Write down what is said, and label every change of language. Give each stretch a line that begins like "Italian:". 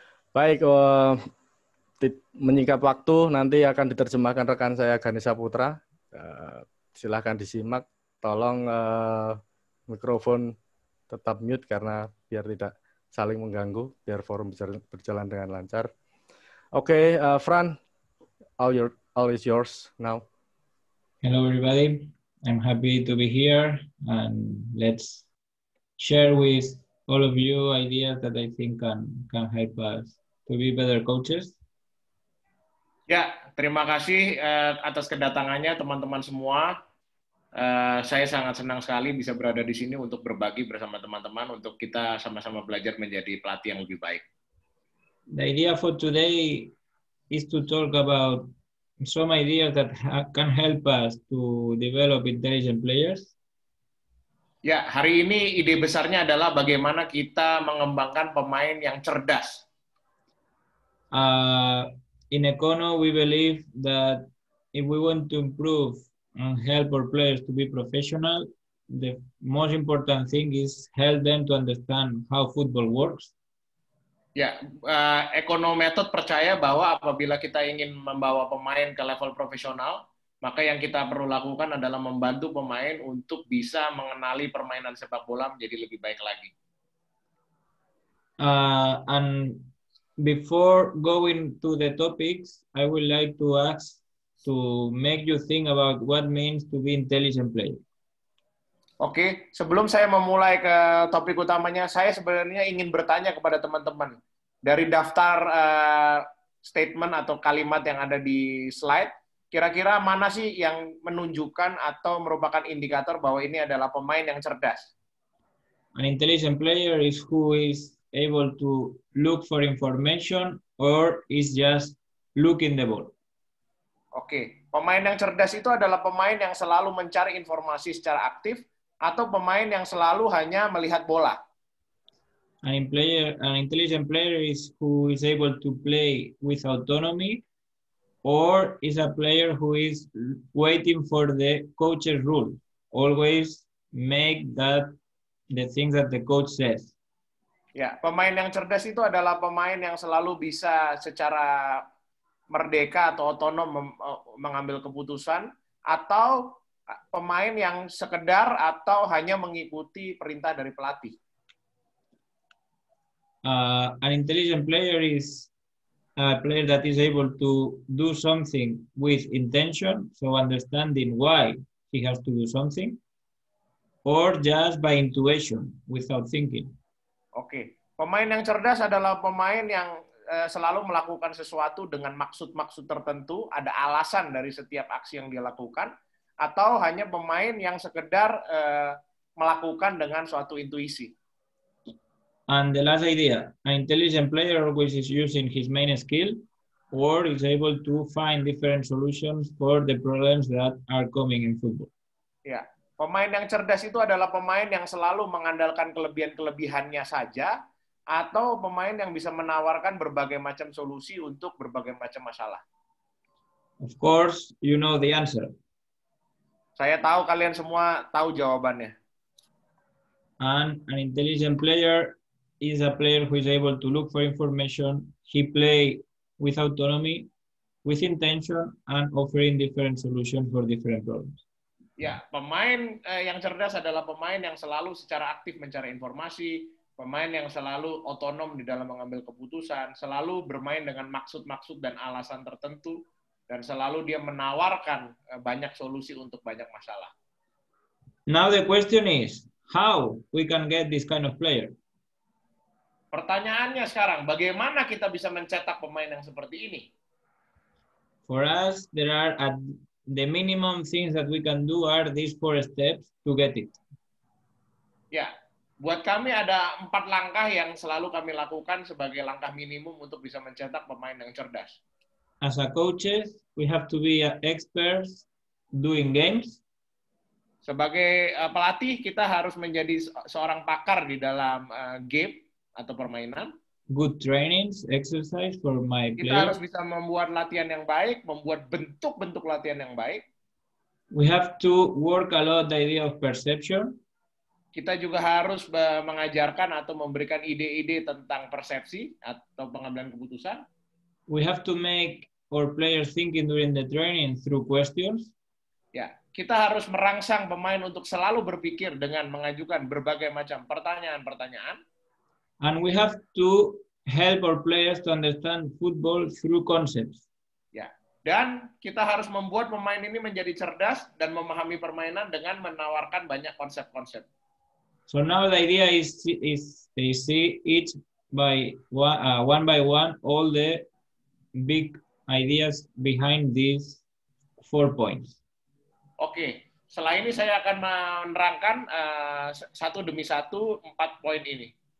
Indonesian: Baik, menyingkat waktu, nanti akan diterjemahkan rekan saya Ganesha Putra. Silahkan disimak, tolong mikrofon tetap mute karena biar tidak saling mengganggu, biar forum berjalan dengan lancar. Oke,
English: okay, Fran, all is yours now. Hello everybody, I'm happy to be here and let's share with all of you ideas that I think can help us to be better coaches.
Indonesian: Ya, yeah, terima kasih atas kedatangannya teman-teman semua. Saya sangat senang sekali bisa berada di sini untuk berbagi bersama teman-teman untuk kita sama-sama belajar menjadi pelatih yang lebih baik.
English: The idea for today is to talk about some ideas that can help us to develop intelligent players.
Indonesian: Ya, hari ini ide besarnya adalah bagaimana kita mengembangkan pemain yang cerdas.
English: In Econo, we believe that if we want to improve and help our players to be professional, the most important thing is help them to understand how football works.
Indonesian: Ya, Econo Method percaya bahwa apabila kita ingin membawa pemain ke level profesional, maka yang kita perlu lakukan adalah membantu pemain untuk bisa mengenali permainan sepak bola menjadi lebih baik lagi.
English: And before going to the topics, I would like to ask to make you think about what means to be intelligent player.
Indonesian: Oke, sebelum saya memulai ke topik utamanya, saya sebenarnya ingin bertanya kepada teman-teman. Dari daftar statement atau kalimat yang ada di slide, kira-kira mana sih yang menunjukkan atau merupakan indikator bahwa ini adalah pemain yang cerdas?
English: An intelligent player is who is able to look for information or is just looking the ball.
Indonesian: Oke, pemain yang cerdas itu adalah pemain yang selalu mencari informasi secara aktif atau pemain yang selalu hanya melihat bola.
English: An intelligent player is who is able to play with autonomy or is a player who is waiting for the coach's rule. Always make that the things that the coach says.
Indonesian: Ya, pemain yang cerdas itu adalah pemain yang selalu bisa secara merdeka atau otonom mengambil keputusan atau pemain yang sekedar atau hanya mengikuti perintah dari pelatih.
English: An intelligent player is a player that is able to do something with intention, so understanding why he has to do something, or just by intuition without thinking. Okay.
Indonesian: Pemain yang cerdas adalah pemain yang selalu melakukan sesuatu dengan maksud-maksud tertentu, ada alasan dari setiap aksi yang dia lakukan, atau hanya pemain yang sekedar melakukan dengan suatu intuisi.
English: And the last idea, an intelligent player always is using his main skill or is able to find different solutions for the problems that are coming in football. Yeah.
Indonesian: Pemain yang cerdas itu adalah pemain yang selalu mengandalkan kelebihan-kelebihannya saja atau pemain yang bisa menawarkan berbagai macam solusi untuk berbagai macam masalah.
English: Of course, you know the answer.
Indonesian: Saya tahu kalian semua tahu jawabannya.
English: An intelligent player is a player who is able to look for information, he play with autonomy, with intention, and offering different solutions for different problems.
Indonesian: Ya, pemain yang cerdas adalah pemain yang selalu secara aktif mencari informasi, pemain yang selalu otonom di dalam mengambil keputusan, selalu bermain dengan maksud-maksud dan alasan tertentu, dan selalu dia menawarkan banyak solusi untuk banyak masalah.
English: Now the question is, how we can get this kind of player?
Indonesian: Pertanyaannya sekarang, bagaimana kita bisa mencetak pemain yang seperti ini?
English: For us, there are the minimum things that we can do are these four steps to get it.
Indonesian: Ya, buat kami ada empat langkah yang selalu kami lakukan sebagai langkah minimum untuk bisa mencetak pemain yang cerdas.
English: As a coaches, we have to be experts doing games.
Indonesian: Sebagai pelatih, kita harus menjadi seorang pakar di dalam game atau permainan.
English: Good trainings, exercise for my
Indonesian: kita
English: players.
Indonesian: Kita harus bisa membuat latihan yang baik, membuat bentuk-bentuk latihan yang baik.
English: We have to work a lot the idea of perception.
Indonesian: Kita juga harus mengajarkan atau memberikan ide-ide tentang persepsi atau pengambilan keputusan.
English: We have to make our players thinking during the training through questions.
Indonesian: Ya, kita harus merangsang pemain untuk selalu berpikir dengan mengajukan berbagai macam pertanyaan-pertanyaan.
English: And we have to help our players to understand football through concepts.
Indonesian: Ya, dan kita harus membuat pemain ini menjadi cerdas dan memahami permainan dengan menawarkan banyak konsep-konsep.
English: So now the idea is they see each by one by one all the big ideas behind these four points.
Indonesian: Oke, setelah ini saya akan menerangkan satu demi satu empat poin ini.